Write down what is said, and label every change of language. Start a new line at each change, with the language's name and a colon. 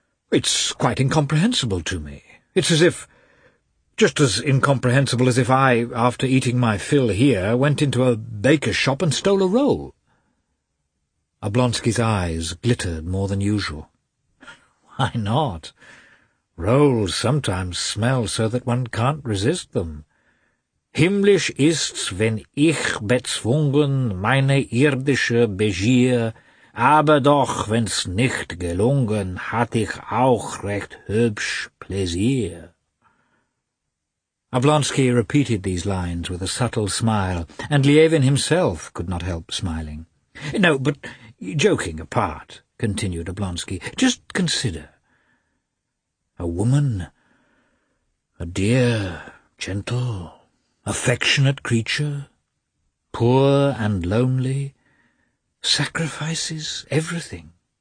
English: it's quite incomprehensible to me. It's as if, just as incomprehensible as if I, after eating my fill here, went into a baker's shop and stole a roll. Oblonsky's eyes glittered more than usual. Why not? Rolls sometimes smell so that one can't resist them.
German: Himmlisch ist's, wenn ich bezwungen meine irdische Begier, aber doch, wenn's nicht gelungen, hat ich auch recht hübsch Plaisir.
English: Oblonsky repeated these lines with a subtle smile, and Lievin himself could not help smiling. No, but joking apart, continued Oblonsky, just consider. A woman, a dear, gentle, affectionate creature, poor and lonely, sacrifices everything.